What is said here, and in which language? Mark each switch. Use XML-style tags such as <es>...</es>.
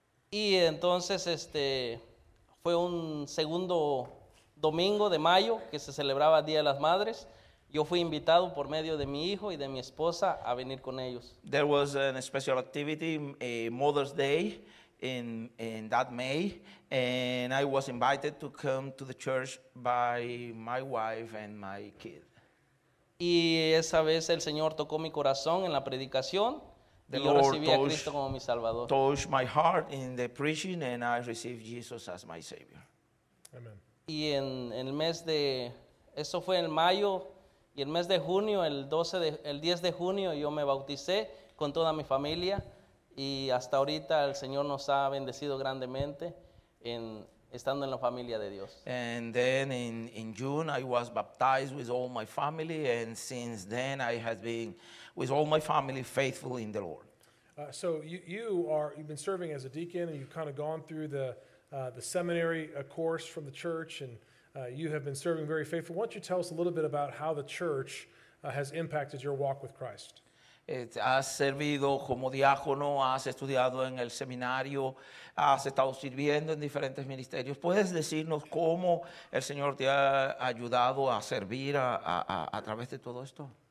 <es>Y entonces fue un segundo domingo de mayo que se celebraba Día de las Madres. Yo fui invitado por medio de mi hijo y de mi esposa a venir con ellos.</es> <en>There was a special activity, a Mother's Day. In that May, and I was invited to come to the church by my wife and my kid.</en> <es>Y esa vez el Señor tocó mi corazón en la predicación, y yo recibí a Cristo como mi Salvador.</es> <en>The Lord touched my heart in the preaching, and I received Jesus as my Savior. Amen.</en> <es>Y en el mes de, eso fue en mayo, y el mes de junio, el 10 de junio, yo me bauticé con toda mi familia. Y hasta ahorita el Señor nos ha bendecido grandemente en estando en la familia de Dios.</es> <en>And then in June I was baptized with all my family and since then I have been with all my family faithful in the Lord. So you've been serving as a deacon and you've kind of gone through the seminary course from the church and you have been serving very faithful. Why don't you tell us a little bit about how the church has impacted your walk with Christ?</en> <es>Has servido como diácono, has estudiado en el seminario, has estado sirviendo en diferentes ministerios. ¿Puedes decirnos cómo el Señor te ha ayudado a servir a través de todo esto?</es>